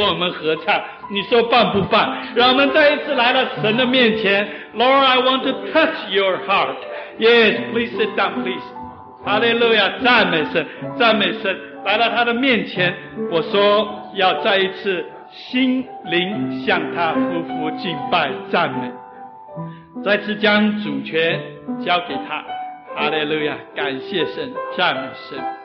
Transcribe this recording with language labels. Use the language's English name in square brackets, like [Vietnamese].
[Chinese] 合唱，你说棒不棒？让我们再一次来到神的面前。 [English] Lord, I want to touch your heart. Yes, please sit down, please. [Chinese] Hallelujah, 赞美神，赞美神，来到他的面前。我说要再一次心灵向他俯伏敬拜赞美，再次将主权交给他。 Hallelujah, 感谢神，赞美神。